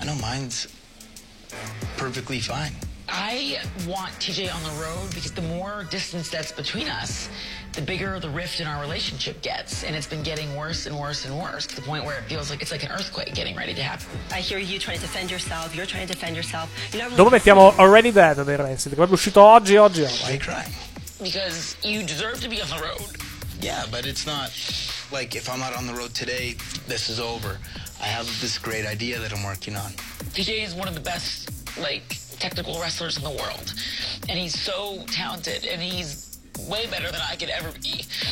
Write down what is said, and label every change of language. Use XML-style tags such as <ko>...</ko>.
<en>I know mine's perfectly fine. I want TJ on the road because the more distance that's between us, the bigger the rift in our relationship gets. And it's been getting worse and worse and worse to the point where it feels like it's like an earthquake getting ready to happen. I hear you trying to defend yourself. You're trying to defend yourself. You never...</en> <it>Dopo mettiamo Already Dead dei Rancid, che è uscito oggi.</it> <en>Why are you crying? Because you deserve to be on the road. Yeah, but it's not like if I'm not on the road today, this is over. I have this great idea that I'm working on. TJ is one of the best, like, technical wrestlers in the world. And he's so talented, and he's way better than I could ever be.</en>